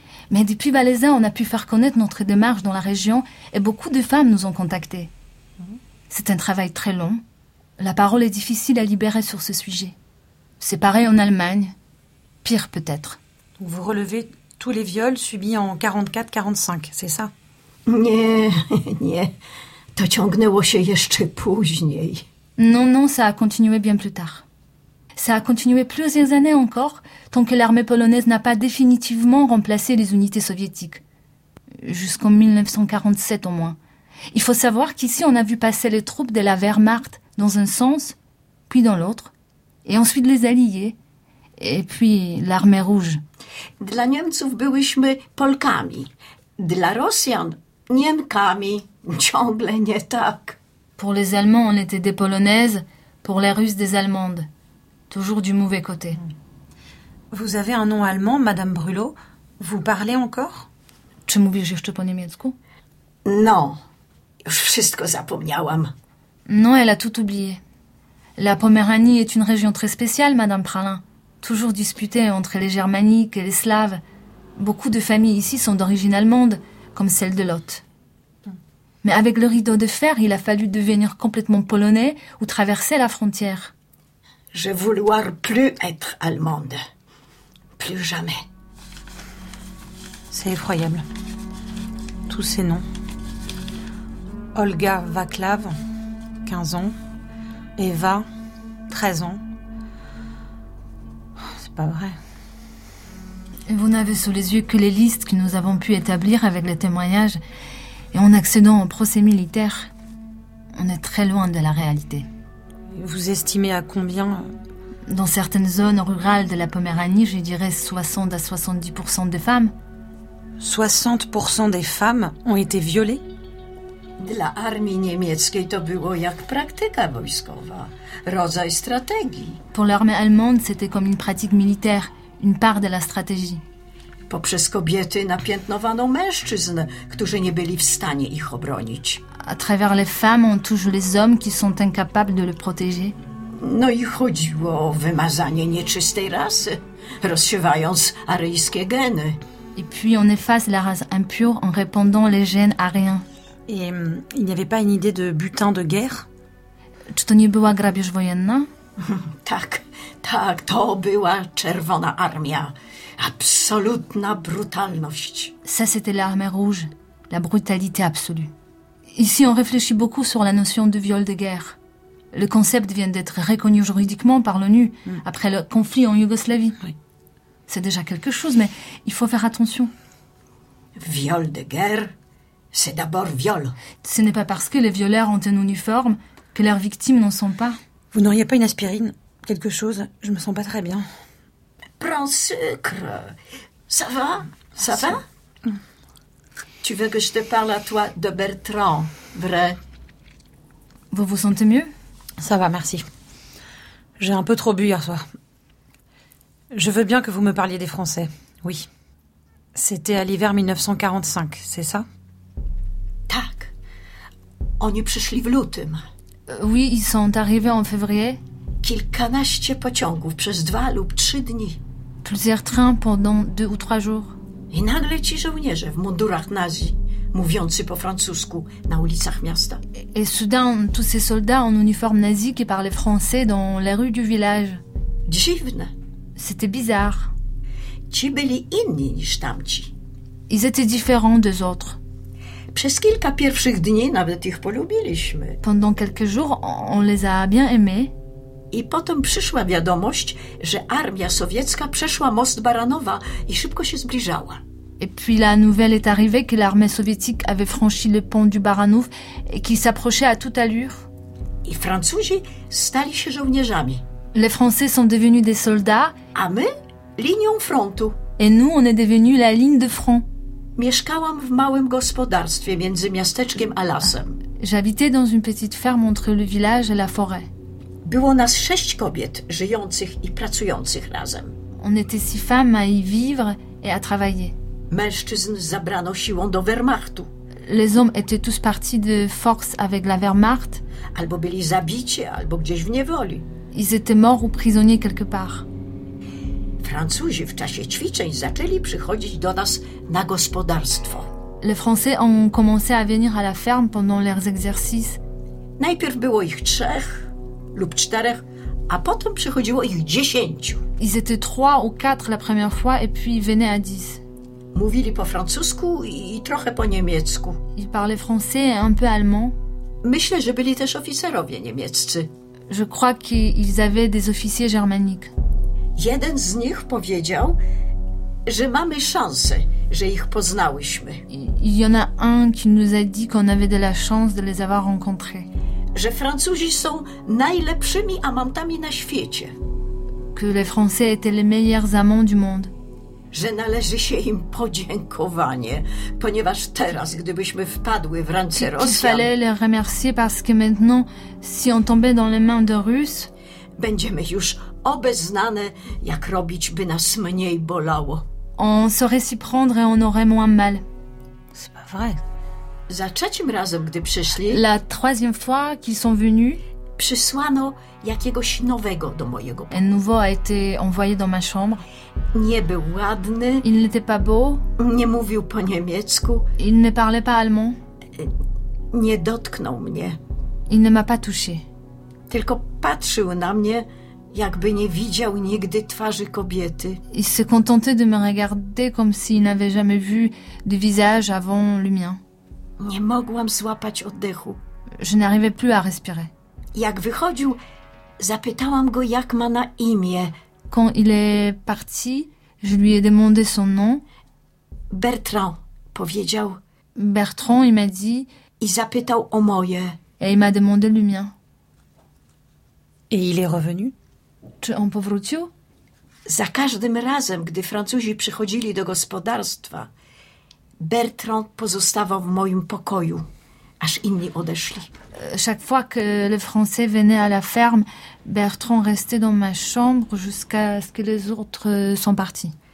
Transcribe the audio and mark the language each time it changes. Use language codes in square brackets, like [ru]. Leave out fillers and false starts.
[fr] Mais depuis Valaisan, on a pu faire connaître notre démarche dans la région et beaucoup de femmes nous ont contactées. C'est un travail très long. La parole est difficile à libérer sur ce sujet. C'est pareil en Allemagne. Pire peut-être. Donc vous relevez tous les viols subis en 44-45, c'est ça ? [pl] Nie, nie. To ciągnęło się jeszcze później. [fr] Non, non, ça a continué bien plus tard. Ça a continué plusieurs années encore, tant que l'armée polonaise n'a pas définitivement remplacé les unités soviétiques. Jusqu'en 1947 au moins. Il faut savoir qu'ici, on a vu passer les troupes de la Wehrmacht dans un sens, puis dans l'autre, et ensuite les alliés, et puis l'armée rouge. [pl] Dla Niemców byłyśmy Polkami. Dla Rosjan, Niemkami. Ciągle nie tak. [fr] Pour les Allemands, on était des Polonaises, pour les Russes, des Allemandes. Toujours du mauvais côté. Vous avez un nom allemand, Madame Brulot. Vous parlez encore ? [pl] Czy mówisz jeszcze po niemiecku ? [fr] Non. [pl] Już wszystko zapomniałam. [fr] Non, elle a tout oublié. La Poméranie est une région très spéciale, Madame Pralin. Toujours disputée entre les germaniques et les slaves. Beaucoup de familles ici sont d'origine allemande, comme celle de Lotte. Mais avec le rideau de fer, il a fallu devenir complètement polonais ou traverser la frontière. Je vouloir plus être allemande. Plus jamais. C'est effroyable. Tous ces noms. Olga Vaclav, 15 ans. Eva, 13 ans. C'est pas vrai. Vous n'avez sous les yeux que les listes que nous avons pu établir avec les témoignages et en accédant au procès militaire. On est très loin de la réalité. Vous estimez à combien ? Dans certaines zones rurales de la Poméranie, je dirais 60 à 70% des femmes. 60% des femmes ont été violées ? [pl] Dla armii niemieckiej to było jak praktyka wojskowa, rodzaj strategii. [fr] Pour l'armée allemande, c'était comme une pratique militaire, une part de la stratégie. [pl] Poprzez kobiety napiętnowano mężczyzn, którzy nie byli w stanie ich obronić. [fr] À travers les femmes, on touche les hommes qui sont incapables de le protéger. [pl] No i chodziło o wymazanie nieczystej rasy, rozsiewając aryjskie geny. [fr] Et puis on efface la race impure en répandant les gènes aryens. Et il n'y avait pas une idée de butin de guerre ? [pl] Czy to nie była grabież wojenna ? Tak, tak, to była czerwona armia. Absolutna brutalność. [fr] Ça, c'était l'armée rouge, la brutalité absolue. Ici, on réfléchit beaucoup sur la notion de viol de guerre. Le concept vient d'être reconnu juridiquement par l'ONU après le conflit en Yougoslavie. Oui. C'est déjà quelque chose, mais il faut faire attention. Viol de guerre, c'est d'abord viol. Ce n'est pas parce que les violeurs ont un uniforme que leurs victimes n'en sont pas. Vous n'auriez pas une aspirine ? Quelque chose ? Je me sens pas très bien. Prends sucre. Ça va ? Ça va ? Tu veux que je te parle à toi de Bertrand, vrai ? Vous vous sentez mieux ? Ça va, merci. J'ai un peu trop bu hier soir. Je veux bien que vous me parliez des Français, oui. C'était à l'hiver 1945, c'est ça? [pl] Tak. Oni przyszli w lutym. [fr] Oui, ils sont arrivés en février. [pl] Kilkanaście pociągów przez dwa lub trzy dni. [fr] Plusieurs trains pendant deux ou trois jours. [pl] I nagle ci żołnierze w mundurach nazi, mówiący po francusku na ulicach miasta. [fr] Et soudain, tous ces soldats en uniforme nazi qui parlaient français dans les rues du village. [pl] Dziwne. [fr] C'était bizarre. [pl] Ci byli inni niż tamci. [fr] Ils étaient différents des autres. [pl] Przez kilka pierwszych dni nawet ich polubiliśmy. [fr] Pendant quelques jours, on les a bien aimés. [pl] I potem przyszła wiadomość, że armia sowiecka przeszła most Baranowa i szybko się zbliżała. [fr] Et puis la nouvelle est arrivée que l'armée soviétique avait franchi le pont du Baranów et qu'il s'approchait à toute allure. [pl] I Francuzi stali się żołnierzami. [fr] Les Français sont devenus des soldats. [pl] A my? Linią frontu. [fr] Et nous, on est devenus la ligne de front. [pl] Mieszkałam w małym gospodarstwie między miasteczkiem a lasem. [fr] J'habitais dans une petite ferme entre le village et la forêt. [pl] Było nas sześć kobiet żyjących i pracujących razem. [fr] On était six femmes à y vivre et à travailler. [pl] Mężczyzn zabrano siłą do Wehrmachtu. [fr] Les hommes étaient tous partis de force avec la Wehrmacht. [pl] Albo byli zabici, albo gdzieś w niewoli. [fr] Ils étaient morts ou prisonniers quelque part. [pl] Francuzi w czasie ćwiczeń zaczęli przychodzić do nas na gospodarstwo. [fr] Les Français ont commencé à venir à la ferme pendant leurs exercices. [pl] Najpierw było ich trzech lub czterech, a potem przychodziło ich dziesięciu. [fr] Ils étaient trois ou quatre la première fois et puis ils venaient à dix. [pl] Mówili po francusku i trochę po niemiecku. [fr] Ils parlaient français et un peu allemand. [pl] Myślę, że byli też oficerowie niemieccy. [fr] Je crois qu'ils avaient des officiers germaniques. [pl] Jeden z nich powiedział, że mamy szansę, że ich poznałyśmy. [fr] Il y en a un qui nous a dit qu'on avait de la chance de les avoir rencontrés. [pl] Że Francuzi są najlepszymi amantami na świecie. [fr] Que les Français étaient les meilleurs amants du monde. [pl] Że należy się im podziękowanie, ponieważ teraz, gdybyśmy wpadły w ręce Rosjan. [fr] Qu'il fallait les remercier parce que maintenant, si on tombait dans les mains de Russes, [pl] będziemy już obeznane, jak robić, by nas mniej bolało. [fr] On saurait s'y prendre et on aurait moins mal. C'est pas vrai. [pl] Za trzecim razem, gdy przyszli, [fr] la troisième fois qu'ils sont venus, [pl] przysłano jakiegoś nowego do mojego [fr] pokoju. Un nouveau a été envoyé dans ma chambre. [pl] Nie był ładny. [fr] Il n'était pas beau. [pl] Nie mówił po niemiecku. [fr] Il ne parlait pas allemand. [pl] Nie dotknął mnie. [fr] Il ne m'a pas touché. [pl] Tylko patrzył na mnie, jakby nie widział nigdy twarzy kobiety. [fr] Il se contentait de me regarder comme s'il n'avait jamais vu de visage avant le mien. [pl] Nie mogłam złapać oddechu. [fr] Je n'arrivais plus à respirer. [pl] Jak wychodził, zapytałam go, jak ma na imię. [fr] Quand il est parti, je lui ai demandé son nom. [pl] Bertrand, powiedział. [fr] Bertrand, il m'a dit. [pl] I zapytał o moje. [fr] Et il m'a demandé le mien. Et il est revenu? [pl] Czy on powrócił? Za każdym razem, gdy Francuzi przychodzili do gospodarstwa, Bertrand pozostawał w moim pokoju, aż inni odeszli. [fr] Chaque fois que les Français venaient à la ferme, Bertrand restait dans ma chambre jusqu'à ce que les autres sont partis.